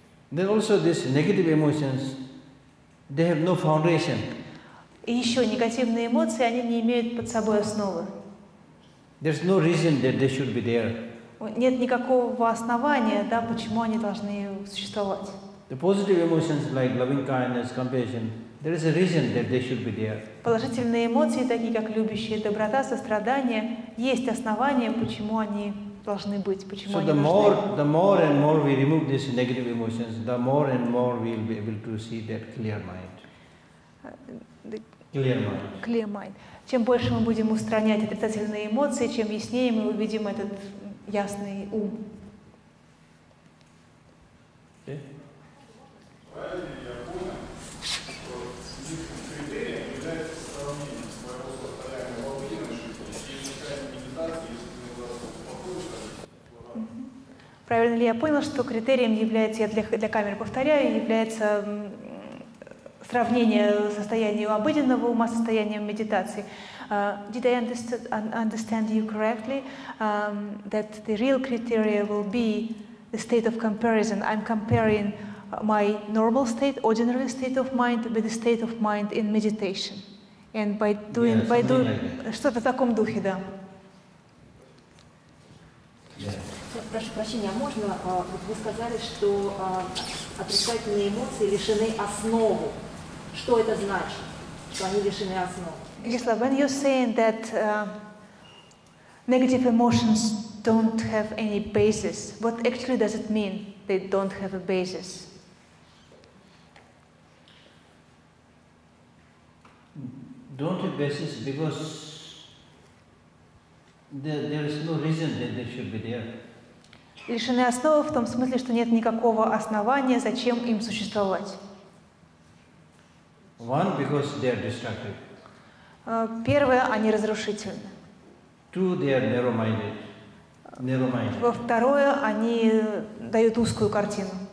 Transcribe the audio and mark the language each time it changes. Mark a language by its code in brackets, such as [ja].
[en] Then also these negative emotions, they have no foundation. [ru] И еще негативные эмоции, они не имеют под собой основы. [en] There's no reason that they should be there. [ru] Нет никакого основания, да, почему они должны существовать. [en] The positive emotions like loving kindness, compassion, there is a reason that they should be there. [ru] Положительные эмоции, такие как любящая доброта, сострадание, есть основания, почему они должны быть, почему они нужны. [en] So the more and more we remove these negative emotions, the more and more we'll be able to see that clear mind. Clear mind. [ru] Чем больше мы будем устранять отрицательные эмоции, чем яснее мы увидим этот ясный ум. Правильно ли я понял, что критерием является, я для камеры повторяю, является сравнение состояния обыденного ума с состоянием медитации? [en] Did I understand you correctly that the real criteria will be the state of comparison? I'm comparing my normal state, ordinary state of mind, with the state of mind in meditation, and by doing, yeah, by doing, like [ru] что-то в таком духе, да. Yeah. Прошу прощения, а можно, вы сказали, что отрицательные эмоции лишены основы. Что это значит, что они лишены основы? [en] Gisela, when you're saying that negative emotions don't have any basis, what actually does it mean? They don't have a basis. Don't have basis because there is no reason that they should be there. [ru] Лишены основы в том смысле, что нет никакого основания, зачем им существовать. [en] One, because they are destructive. [ru] Первое, они разрушительны. [en] Two, they are narrow-minded. [ru] Во второе, они дают узкую картину.